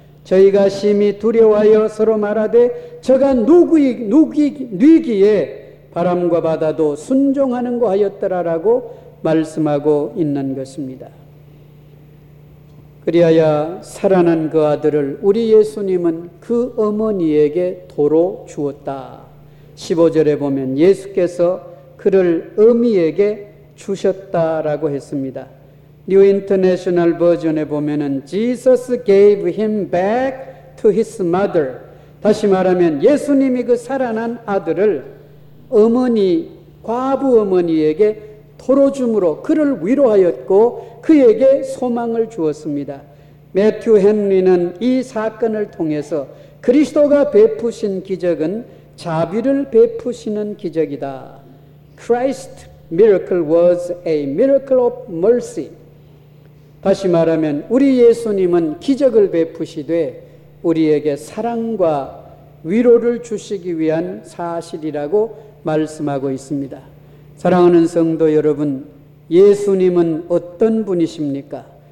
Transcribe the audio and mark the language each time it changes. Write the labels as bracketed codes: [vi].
[ko] 저희가 심히 두려워하여 서로 말하되 저가 누구이기에 바람과 바다도 순종하는 거 하였더라라고 말씀하고 있는 것입니다. 그리하여 살아난 그 아들을 우리 예수님은 그 어머니에게 도로 주었다. 15절에 보면 예수께서 그를 어미에게 주셨다라고 했습니다. [en] New International Version에 [ko] 보면은 [en] Jesus gave him back to his mother. [ko] 다시 말하면 예수님이 그 살아난 아들을 어머니, 과부 어머니에게 돌아줌으로 그를 위로하였고 그에게 소망을 주었습니다. 매튜 헨리는 이 사건을 통해서 그리스도가 베푸신 기적은 자비를 베푸시는 기적이다. Christ [en] miracle was a miracle of mercy. [ko] 다시 말하면 우리 예수님은 기적을 베푸시되 우리에게 사랑과 위로를 주시기 위한 사실이라고 말씀하고 있습니다. 사랑하는 성도 여러분, 예수님은 어떤 분이십니까?